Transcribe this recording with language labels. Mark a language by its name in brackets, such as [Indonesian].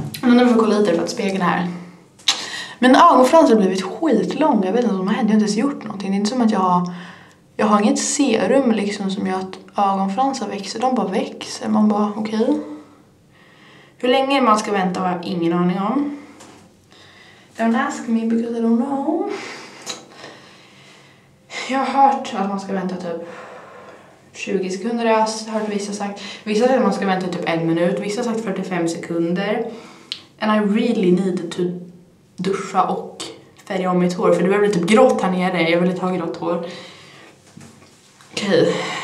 [Swedish] Men nu får jag kolla lite för att spegeln här. Men ögonfransen har blivit skitlång. Jag vet inte vad som har hänt. Jag har inte ens gjort någonting. Det är inte som att jag har... Jag har inget serum liksom som gör att ögonfransar växer. De bara växer. Man bara, okej. Okay. Hur länge man ska vänta har jag ingen aning om. [English] Don't ask me because I don't know. [Swedish] Jag har hört att man ska vänta typ 20 sekunder. Jag har hört vissa sagt. Vissa säger att man ska vänta typ en minut. Vissa har sagt 45 sekunder. [English] And I really need to [Swedish] duscha och färga om mitt hår. För det blir typ grått här nere. Jag vill inte ha grått hår. Okej.